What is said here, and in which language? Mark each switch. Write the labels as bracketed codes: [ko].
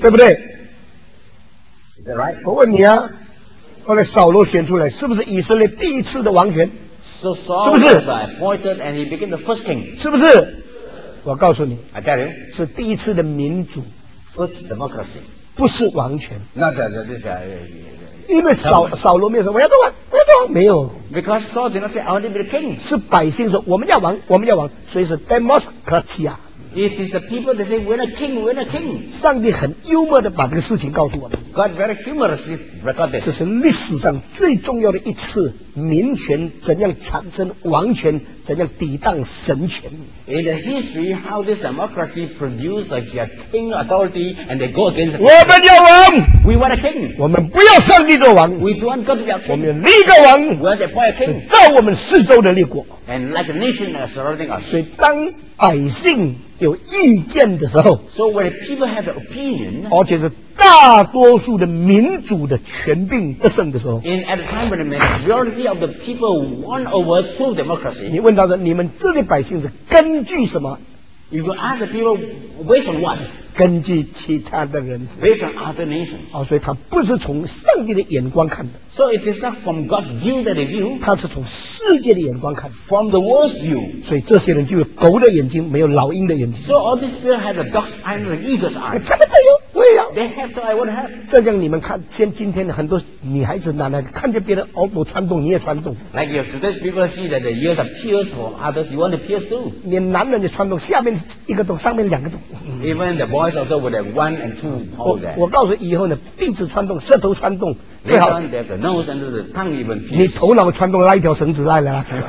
[zh] 对不对？ [en] Is that right? [zh] 我问你啊，后来扫罗选出来，是不是以色列第一次的王权？ [en] So Saul was appointed and he became the first king. [zh] 是不是？我告诉你 [en] ，I tell you， [zh] 是第一次的民主 [en] ，first democracy， [zh] 不是王权。那这这这啥？因为扫罗没有说我要做王，我要做王，没有。 [en] Because Saul did not say I want to be the king. [zh] 是百姓说我们要王，我们要王，所以是 democracy 啊。 [en] It is the people that say, "We're a king, we're a king." [zh] 上帝很幽默地把这个事情告诉我们。 [en] God very humorously recorded. [zh] 这是历史上最重要的一次民权怎样产生王权，怎样抵挡神权。 [en] In the history, how this democracy produced like a king authority, and they go against. [zh] 我们要王。 [en] We want a king. [zh] 我们不要上帝做王。 [en] We don't want God to be a king. [zh] 我们立个王。 [en] We want to appoint a king. [zh] 照我们四周的立国。 [en] And like a nation that surrounding us. [zh] 所以当百姓有意见的时候 [en] so when people have an opinion [zh] 而且是大多数的民主的权柄得胜的时候 [en] in at a time when the majority of the people won over through democracy， [zh] 你问到的你们这些百姓是根据什么？ [en] You can ask the people based on what？ [zh] 根据其他的人 [en] based on other nations、 [zh] 哦、所以他不是从上帝的眼光看的 [en] so it is not from God's view that they view， [zh] 他是从世界的眼光看 [en] from the world's view， [zh] 所以这些人就有狗的眼睛，没有老鹰的眼睛。 [en] so all these people have the dog's eye and the eagle's eye， [zh] 他们才有对呀、啊、 [en] they have the eye what have， [zh] 这样你们看，像今天的很多女孩子男孩看见别人哦，我穿洞你也穿洞， [en] like your today's people see that the ears are pierced for others you want to pierce too， [zh] 你男人你穿洞下面一个洞上面两个洞、 [en] even the boys also with a one and two hole there， [zh] 我告诉以后呢，鼻子穿洞，舌头穿洞，最好 [en] the nose and the tongue even pierced， [zh] 你头脑穿洞拉一条绳子来了